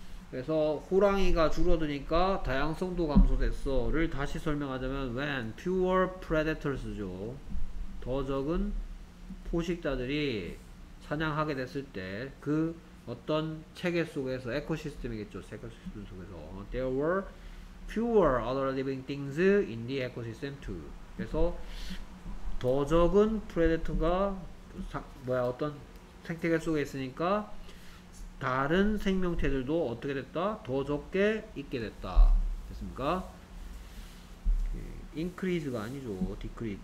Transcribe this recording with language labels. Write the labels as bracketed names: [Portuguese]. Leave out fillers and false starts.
[Korean] 그래서 호랑이가 줄어드니까 다양성도 감소됐어 를 다시 설명하자면 [English] when fewer predators [Korean] 죠. 더 적은 포식자들이 사냥하게 됐을 때 그 어떤 체계 속에서 에코시스템이겠죠. 에코시스템 속에서 [English] there were fewer other living things in the ecosystem too. [Korean] 그래서 더 적은 프레데터가 어떤 생태계 속에 있으니까 다른 생명체들도 어떻게 됐다? 더 적게 있게 됐다. 됐습니까? increase가 아니죠. decrease.